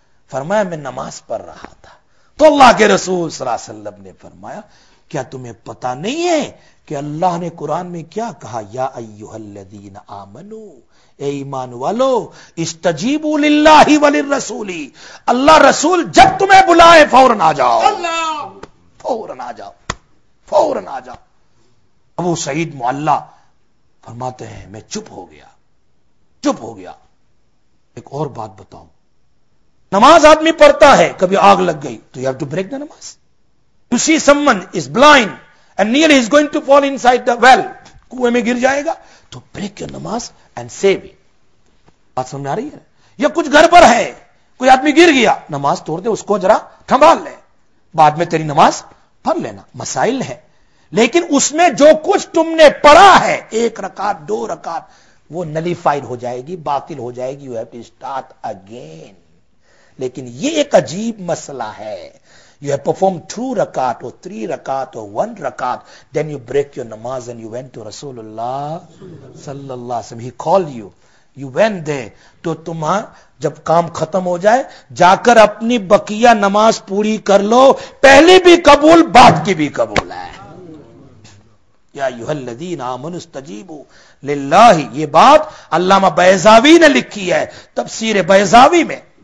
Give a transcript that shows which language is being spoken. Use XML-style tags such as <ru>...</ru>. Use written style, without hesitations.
<ur>فرمایا میں نماز پڑھ رہا تھا. تو اللہ کے رسول صلی اللہ علیہ وسلم نے فرمایا کیا تمہیں پتا نہیں ہے کہ اللہ نے قرآن میں کیا کہا؟</ur> <ar>یا ایھا الذین آمنوا،</ar> <ur>اے ایمان والو،</ur> <ar>استجیبوا للہ وللرسول،</ar> <ur>اللہ رسول جب تمہیں بلائے فوراً آ جاؤ، فوراً آ جاؤ، فوراً آ جاؤ. ابو سعید معلہ فرماتے ہیں میں چپ ہو گیا، چپ ہو گیا. ایک اور بات بتاؤں، نماز آدمی پڑھتا ہے، کبھی آگ لگ گئی تو</ur> <en>you have to break the</en> <ur>نماز.</ur> <en>To see someone is blind and nearly he is going to fall inside the well,</en> <ur>کنویں میں گر جائے گا،</ur> <en>تو break your نماز and save it.</en> <ur>بات سمجھ آ رہی ہے؟ یا کچھ گھر پر ہے، کوئی آدمی گر گیا، نماز توڑ دے، اس کو ذرا تھمال لے، بعد میں تیری نماز پڑھ لینا. مسائل ہے، لیکن اس میں جو کچھ تم نے پڑھا ہے، ایک رکعت دو رکعت، وہ نلیفائڈ ہو جائے گی، باطل ہو جائے گی.</ur> <en>You have to start again.</en> <ur>لیکن یہ ایک عجیب مسئلہ ہے،</ur> <en>you have performed two rakat or three rakat or one rakat, then you break your namaz and you went to Rasulullah sallallahu alaihi wasallam. He called you, you went there.</en> <ur>تو تمہاں جب کام ختم ہو جائے، جا کر اپنی بقیہ نماز پوری کر لو، پہلی بھی قبول، بعد کی بھی قبول ہے.</ur> <ar>یا ایھا الذین آمنوا استجیبوا للہ،</ar> <ur>یہ بات علامہ بیضاوی نے لکھی ہے، تفسیر بیضاوی میں.</ur>